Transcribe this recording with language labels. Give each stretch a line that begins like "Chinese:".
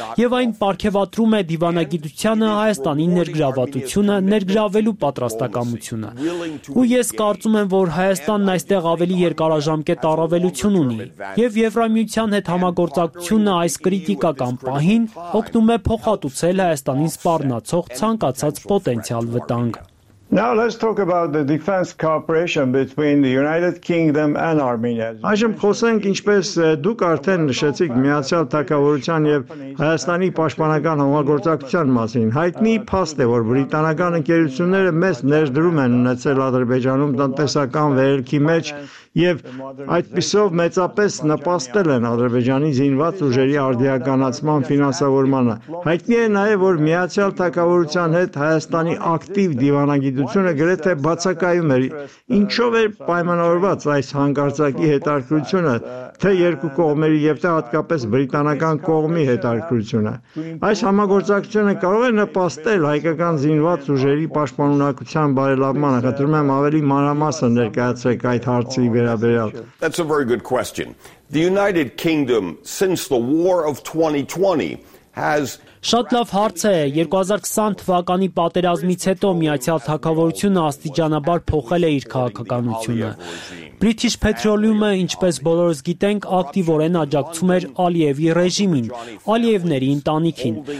Armenian: և այն պարգևատրում է դիվանագիտությանը, Հայաստանի ներգրավվածությունը, ներգրավելու պատրաստակամությունը։ Ու ես կարծում եմ, որ Հայաստանն այստեղ ավելի երկարաժամկետ առավելություն ունի, եւ Եվրամիության հետ համագործակցությունը այս կրիտիկական պահին օգնում է փոխհատուցել Հայաստանին սպառնացող ցանկացած պոտենցիալ վտանգ։
English: Now let's talk about the defense cooperation between the United Kingdom and Armenia.
Armenian: Այժմ խոսենք, ինչպես դուք արդեն նշեցիք, Միացյալ Թագավորության եւ Հայաստանի պաշտպանական համագործակցության մասին։ Հայտնի փաստ է, որ բրիտանական ընկերությունները մեծ ներդրում են ունեցել Ադրբեջանում տնտեսական վերելքի մեջ եւ այդպիսով մեծապես նպաստել են Ադրբեջանի զինված ուժերի արդիականացման ֆինանսավորմանը։ Հայտնի է նաեւ, որ Միացյալ Թագավորության հետ Հայաստանի ակտիվ դիվանագիտությունը գրեթե բացակայում էր, ինչով էր պայմանավորված այս հանկարծակի հետարկությունը, թե երկու կողմերի և թե հատկապես բրիտանական կողմի հետարկությունը։ Այս համագործակցությունը կարող է նպաստել հայկական զինված ուժերի պաշտպանունակության բարելավմանը։ Կտրում եմ ավելի մանրամասն ներկայացնել այդ հարցի վերաբերյալ։
English: That's a very good question. The United Kingdom, since the war of 2020, has
Armenian: Շատ լավ հարց է։ 2020 թվականի պատերազմից հետո Միացյալ Թագավորությունը աստիճանաբար փոխել է իր քաղաքականությունը։ British Petroleum-ը, ինչպես բոլորս գիտենք, ակտիվորեն աջակցում էր Ալիևի ռեժիմին, Ալիևների ընտանիքին։